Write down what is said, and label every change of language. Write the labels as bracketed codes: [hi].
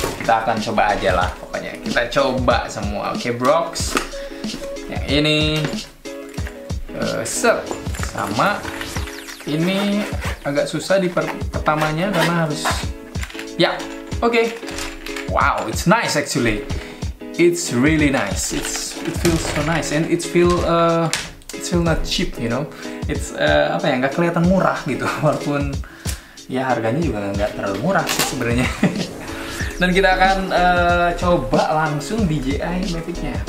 [id] kita akan coba aja lah pokoknya. Kita coba semua. Oke, Brox. Yang ini set sama ini agak susah di pertamanya karena harus ya. [en] Oke. Okay. Wow, it's nice actually. It's really nice. It feels so nice and it feel not cheap, you know. It's [id] apa ya? Enggak kelihatan murah gitu walaupun ya harganya juga enggak terlalu murah sebenarnya. Dan kita akan coba langsung DJI Mavic-nya.